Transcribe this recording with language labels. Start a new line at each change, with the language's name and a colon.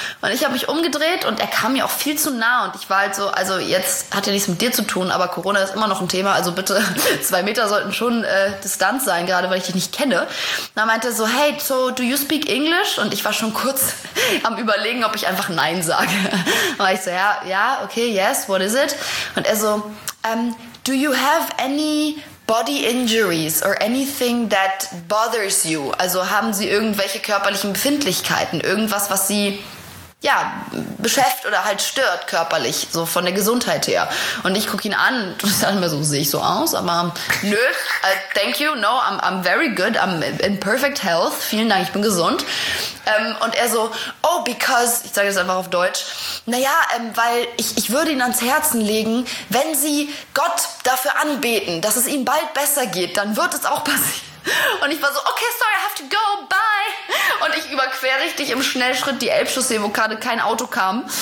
German: Und ich habe mich umgedreht und er kam mir auch viel zu nah. Und ich war halt so, also jetzt hat ja nichts mit dir zu tun, aber Corona ist immer noch ein Thema. Also bitte, 2 Meter sollten schon Distanz sein, gerade weil ich dich nicht kenne. Und dann meinte er so,
English: hey, so do you speak English?
German: Und ich war schon kurz am Überlegen, ob ich einfach Nein sage. Und war ich so, ja, okay,
English: yes, what is it?
German: Und er so,
English: do you have any body injuries or anything that bothers you?
German: Also haben Sie irgendwelche körperlichen Befindlichkeiten? Irgendwas, was Sie ja beschäftigt oder halt stört körperlich, so von der Gesundheit her? Und ich gucke ihn an und sage mir so, sehe ich so aus? Aber nö,
English: thank you, no, I'm very good, I'm in perfect health.
German: Vielen Dank, ich bin gesund. Und er so,
English: oh, because,
German: ich sage das einfach auf Deutsch, naja, weil ich würde ihn ans Herzen legen, wenn sie Gott dafür anbeten, dass es ihm bald besser geht, dann wird es auch passieren. Und ich war so,
English: okay, sorry, I have to go, bye.
German: Und ich überquer richtig im Schnellschritt die Elbchaussee, wo gerade kein Auto kam.